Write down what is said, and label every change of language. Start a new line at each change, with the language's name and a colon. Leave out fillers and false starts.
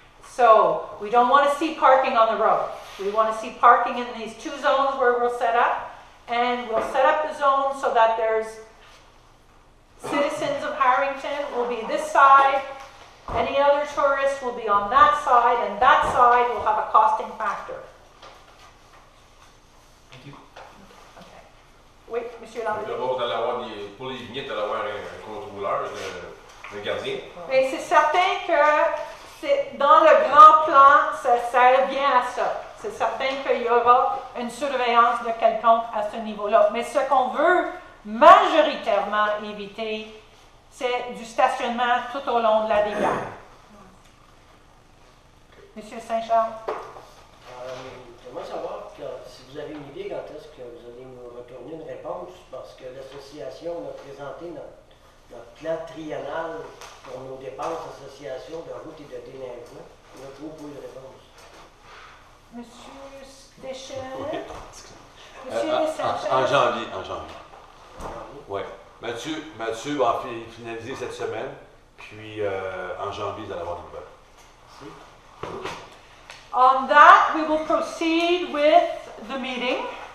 English: So we don't want to see parking on the road. We want to see parking in these two zones where we'll set up, and we'll set up the zone so that there's citizens of Harrington will be this side, any other tourists will be on that side, and that side will have a costing factor. Thank you.
French: Okay. Oui, Monsieur Lambert. D'abord, pour les vignettes, d'avoir un contrôleur, le gardien. Mais c'est certain que c'est dans le grand plan, ça sert bien à ça. C'est certain qu'il y aura une surveillance de quelconque à ce niveau-là. Mais ce qu'on veut majoritairement éviter, c'est du stationnement tout au long de la rivière. Monsieur Saint-Charles. J'aimerais savoir Alors, si vous avez une idée, quand est-ce que vous allez me retourner une réponse, parce que l'association a présenté notre plan triennal pour nos dépenses d'association de route et de délinquants. On a trop peu de réponse. Monsieur Stéchet. En janvier. Oui. Mathieu va finaliser cette semaine, puis en janvier, vous allez avoir des nouvelles. Si.
English: On that, we will proceed with the meeting.